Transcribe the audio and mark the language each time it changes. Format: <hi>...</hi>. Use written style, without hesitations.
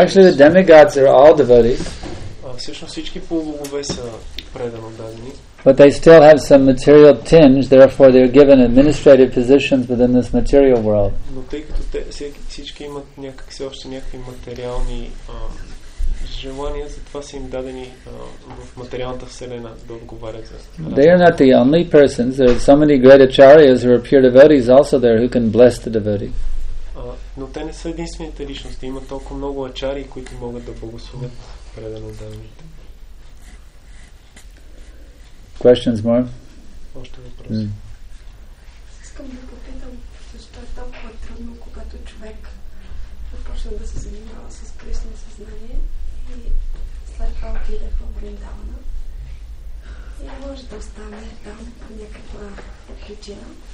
<en>Actually, the demigods are all devotees.</en> <bg>Всъщност всички полубогове са предано дадени.</bg> <en>But they still have some material tinge, therefore they are given administrative positions within this material world.</en> <bg>Но тъй като всички имат някакси още някакви материални желания, затова са им дадени в материалната вселена да отговарят за това.</bg> <en>They are not the only persons. There are so many great acharyas who are pure devotees also there who can bless the devotee.</en> <bg>Но те не са единствените личности. Има толкова много ачари, които могат да благословят.</bg> <en>Questions more?</en> <bg>Още въпроси. Искам да попитам, защо е толкова трудно, когато човек започна да се занимава с Кришна съзнание и след това отиде в Вриндавана и може да остане там по някаква причина.</bg>